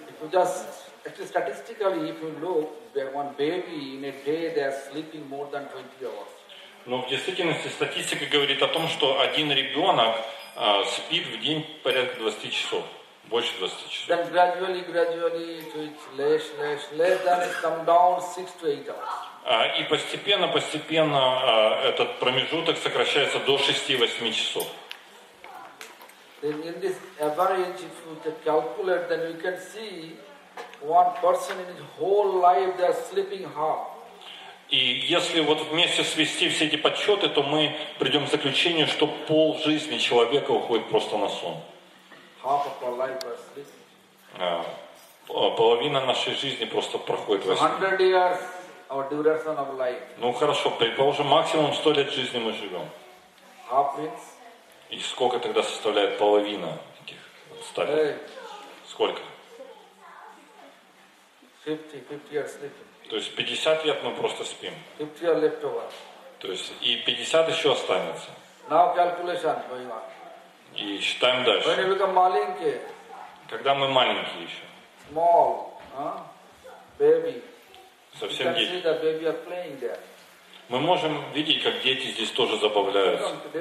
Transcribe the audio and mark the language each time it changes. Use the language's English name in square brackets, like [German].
[English] Just statistically, if you look, one baby in a day they are sleeping more than 20 hours. [Russian] Но в действительности статистика говорит о том, что один ребенок спит в день порядка 20 часов, больше 20 часов. [English] Then gradually, so it's less, then it comes down 6 to 8 hours. [Russian] И постепенно этот промежуток сокращается до 6-8 часов. [English] Then in this average, if you calculate, then you can see one person in his whole life they are sleeping half. [Russian] И если вот вместе свести все эти подсчеты, то мы придем к заключению, что пол жизни человека уходит просто на сон. [English] Half of our life are sleeping. [Russian] Половина нашей жизни просто проходит во сне. [English] 100 years. Our duration of life. [Russian] Ну хорошо, предположим, максимум 100 лет жизни мы живем. [English] Half means? [Russian] И сколько тогда составляет половина таких 100 лет? Сколько? [English] 50 years sleeping. [Russian] То есть 50 лет мы просто спим. [English] 50 years left over. [Russian] То есть и 50 еще останется. [English] Now calculation going on. [Russian] И считаем дальше. [English] When you become [Russian] маленький. Когда мы маленькие еще. [English] Small, baby. [Russian] Совсем [English] you can see that baby are playing there. [Russian] Мы можем видеть, как дети здесь тоже забавляются.